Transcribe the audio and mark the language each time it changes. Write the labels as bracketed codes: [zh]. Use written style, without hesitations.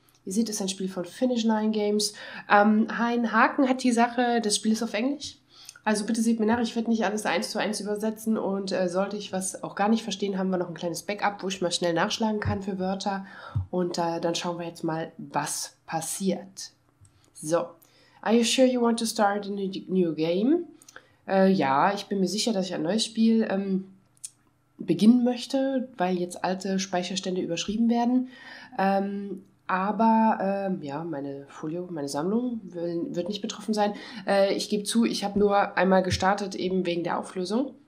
[de] Ihr seht, es ist ein Spiel von Finnish Nine Games. Hein Haken hat die Sache, das Spiel ist auf Englisch. Also bitte seht mir nach, ich werde nicht alles eins zu eins übersetzen und sollte ich was auch gar nicht verstehen, haben wir noch ein kleines Backup, wo ich mal schnell nachschlagen kann für Wörter. Und dann schauen wir jetzt mal, was passiert. [en] So, are you sure you want to start a new game? [de] Ja, ich bin mir sicher, dass ich ein neues Spiel beginnen möchte, weil jetzt alte Speicherstände überschrieben werden. Aber meine Folio, meine Sammlung wird nicht betroffen sein. Ich gebe zu, ich habe nur einmal gestartet, eben wegen der Auflösung.